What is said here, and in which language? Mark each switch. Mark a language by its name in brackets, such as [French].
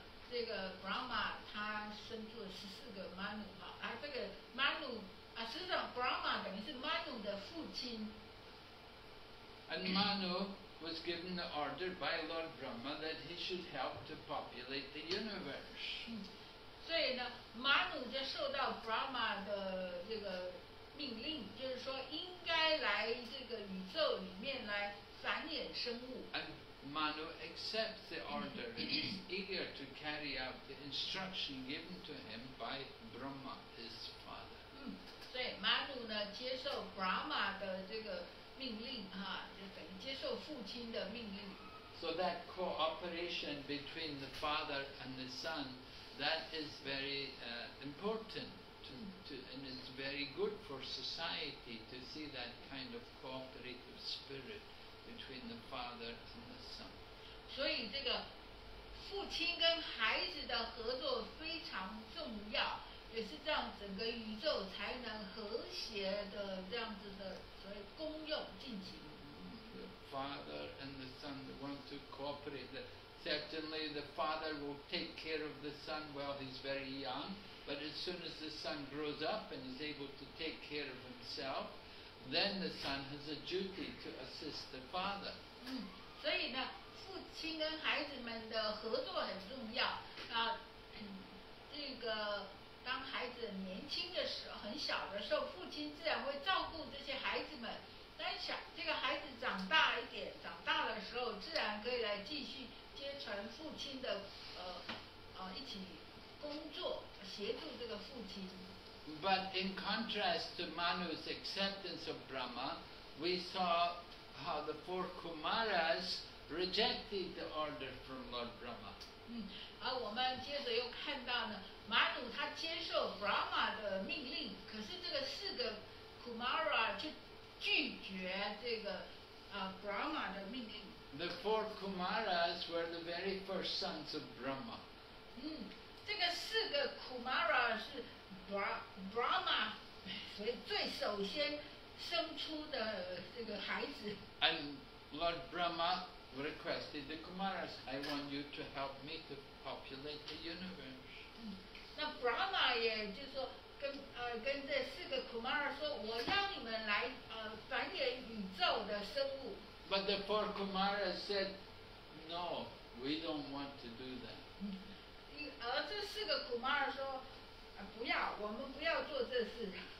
[Chinese] 这个 Brahma 他生出了14个 Manu 哈，而这个 Manu 啊，实际上 Brahma 等于是 Manu 的父亲。 [English] And Manu was given the order by Lord Brahma that he should help to populate the universe. [Chinese] 所以呢 ，Manu 就受到 Brahma 的这个命令，就是说应该来这个宇宙里面来繁衍生物。 [English] And Manu accepts the order and is eager to carry out the instruction given to him by Brahma, his father. [Chinese] 所以 Manu 呢接受 Brahma 的这个命令哈，就等于接受父亲的命令。 [English] So that cooperation between the father and the son, that is very important to, and it's very good for society to see that kind of cooperative spirit between the father and the son. [Chinese] 所以这个父亲跟孩子的合作非常重要，也是这样整个宇宙才能和谐的这样子的所谓功用进行。 [English] The father and the son want to cooperate. Certainly the father will take care of the son while he's very young, but as soon as the son grows up and is able to take care of himself, then the son has a duty to assist the father. [Chinese] 所以呢父亲跟孩子们的合作很重要啊，这个当孩子年轻的时候，很小的时候，父亲自然会照顾这些孩子们。但想这个孩子长大一点，长大的时候，自然可以来继续接承父亲的一起工作，协助这个父亲。 [English] But in contrast to Manu's acceptance of Brahma, we saw how the four Kumaras rejected the order from Lord Brahma. [Chinese] 而我们接着又看到呢。马努他接受 Brahma 的命令，可是这个四个 Kumara 却拒绝这个Brahma 的命令。 [English] The four Kumaras were the very first sons of Brahma. [Chinese] 这个四个 Kumara 是 Brahma 最首先生出的这个孩子。 [English] And Lord Brahma requested the Kumaras, "I want you to help me to populate the universe." [Chinese] 那 Brahma 也就是说跟这四个 Kumara 说，我要你们来繁衍宇宙的生物。 [English] But the four Kumara said, "No, we don't want to do that." [Chinese] 而这四个 Kumara 说，不要，我们不要做这事。